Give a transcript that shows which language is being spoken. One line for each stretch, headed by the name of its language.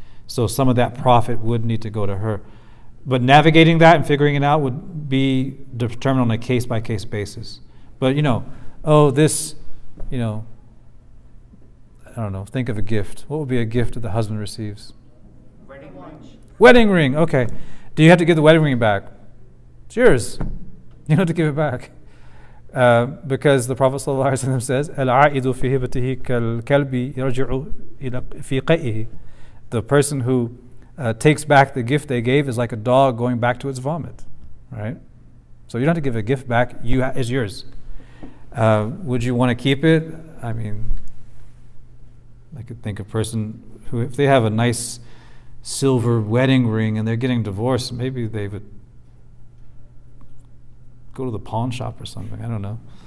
English: So some of that profit would need to go to her. But navigating that and figuring it out would be determined on a case-by-case basis. But, you know, oh, this, you know, I don't know, think of a gift. What would be a gift that the husband receives? Wedding ring. Wedding ring, okay. Do you have to give the wedding ring back? It's yours. You don't have to give it back. Because the Prophet ﷺ says,
Arabic: الْعَائِدُ فِي هِبَتِهِ كَالْكَلْبِ يَرْجِعُ إِلَى فِي قَئِهِ.
English: The person who takes back the gift they gave is like a dog going back to its vomit, right? So you don't have to give a gift back, it's yours. Would you want to keep it? I mean, I could think of a person who, if they have a nice silver wedding ring and they're getting divorced, maybe they would go to the pawn shop or something, I don't know.